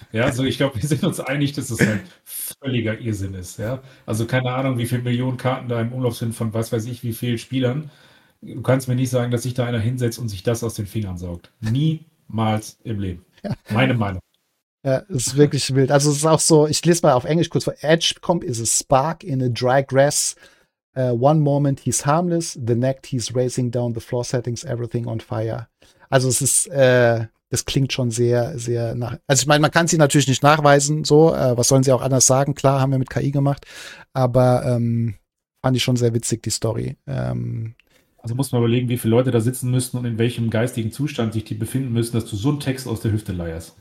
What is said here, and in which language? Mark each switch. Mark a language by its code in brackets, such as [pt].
[de] Ja, also ich glaube, wir sind uns einig, dass es ein völliger Irrsinn ist. Ja? Also keine Ahnung, wie viele Millionen Karten da im Umlauf sind von was weiß ich, wie vielen Spielern. Du kannst mir nicht sagen, dass sich da einer hinsetzt und sich das aus den Fingern saugt. Niemals im Leben. Ja. Meine Meinung. Ja, das ist wirklich wild. Also es ist auch so, ich lese mal auf Englisch kurz vor. [en] Edgecomp is a spark in a dry grass. One moment he's harmless, the next he's racing down the floor settings, everything on fire. [de] Also es ist, das klingt schon sehr, sehr nach. Also ich meine, man kann sie natürlich nicht nachweisen, so. Was sollen sie auch anders sagen? Klar, haben wir mit KI gemacht. Aber fand ich schon sehr witzig, die Story. Also muss man überlegen, wie viele Leute da sitzen müssen und in welchem geistigen Zustand sich die befinden müssen, dass du so einen Text aus der Hüfte leierst.